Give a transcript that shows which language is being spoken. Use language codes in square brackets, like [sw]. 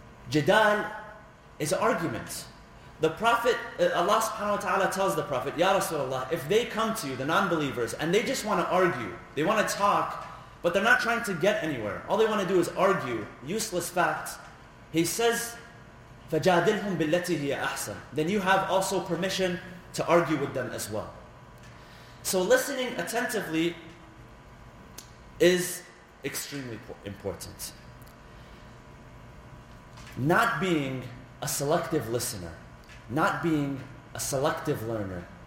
[en] Jidal is argument. The Prophet, Allah subhanahu wa ta'ala tells the Prophet, Ya Rasulullah, if they come to you, the non-believers, and they just want to argue, they want to talk, but they're not trying to get anywhere. All they want to do is argue, useless facts. He says, [ar] فَجَادِلْهُمْ بِالَّتِي هِيَ أَحْسَنَ. [en] Then you have also permission to argue with them as well. So listening attentively is extremely important. Not being a selective listener, not being a selective learner.